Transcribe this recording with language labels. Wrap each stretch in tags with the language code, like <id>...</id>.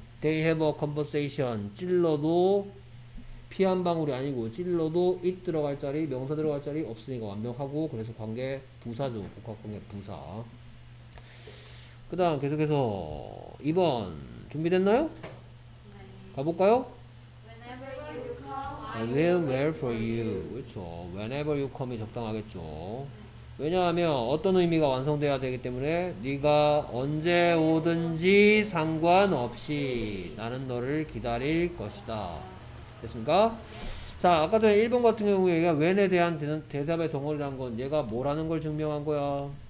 <en>They have a conversation.</en> <ko>찔러도 피 한 방울이 아니고 찔러도 it 들어갈 자리, 명사 들어갈 자리 없으니까 완벽하고 그래서 관계 부사죠. 복합관계 부사. 그 다음 계속해서 2번 준비됐나요? 가볼까요?</ko> <en>Whenever you come, I will wait for you.</en> <ko>그렇죠. Whenever you come 이 적당하겠죠. 왜냐하면 어떤 의미가 완성돼야 되기 때문에 네가 언제 오든지 상관없이 나는 너를 기다릴 것이다. 됐습니까? 자, 아까 전에 1번 같은 경우에 얘가 when에 대한 대답의 덩어리란 건 얘가 뭐라는 걸 증명한 거야?</ko>